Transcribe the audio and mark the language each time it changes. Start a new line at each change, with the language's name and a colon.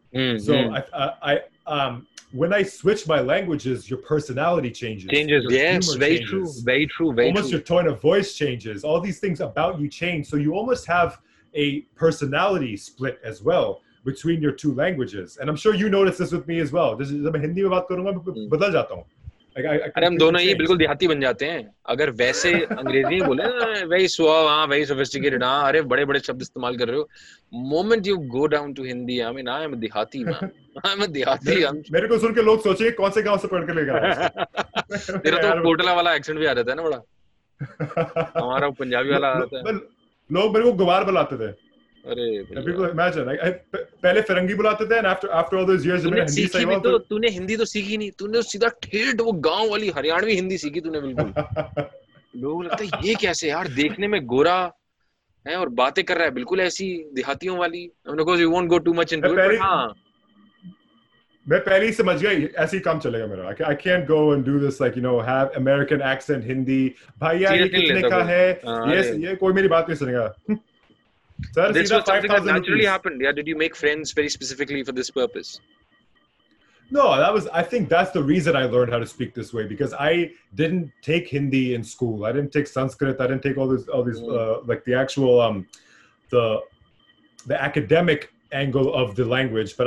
English: Mm-hmm. So when I switch my languages, your personality changes. Very true. Your tone of voice changes. All these things about you change. So you almost have a personality split as well between your two languages. And I'm sure you notice this with me as well. This is, I'm
Hindi: Hindi mein baat karunga, badal jata hoon. अरे हम दोनों ही बिल्कुल देहाती बन जाते हैं अगर वैसे अंग्रेजी में बोले वही सुआव हाँ वही सोफिस्टिकेटेड हाँ अरे बड़े बड़े शब्द इस्तेमाल कर रहे हो
English: moment you go down to Hindi I mean I am देहाती man
Hindi: मेरे को सुन के लोग सोचेंगे कौन से गांव से पढ़ के लेगा तेरा तो कोटला वाला एक्सेंट भी आ जाता है ना बड़ा हमारा पंजाबी वाला आ जाता है लोग मेरे को गुवार बुलाते थे अरे
English: people imagine like
Hindi: पहले फिरंगी बुलाते थे
English: and after all those years
Hindi: तूने सीखी भी तो तूने हिंदी तो सीखी नहीं तूने सीधा ठेठ वो गांव वाली हरियाणवी हिंदी सीखी तूने बिल्कुल लोग लगते हैं ये कैसे यार देखने में गोरा है और बातें कर रहा है बिल्कुल ऐसी देहातियों वाली
English: of course you won't go too much into it but
Hindi: हाँ मैं पहले ही समझ गया ऐसे ही काम चलेगा मेरा
English: I can't go and do this like you know have American accent
Hindi: Hindi भैया ये कितने का है yes ये कोई मेरी बात नहीं सुनेगा
English: Sir, this was something that naturally happened. Yeah, did you make friends very specifically for this purpose? No, that was. I think that's the reason I learned how to speak this way because I didn't take Hindi in school. I didn't take Sanskrit. I didn't take all these like the actual the academic angle of the language.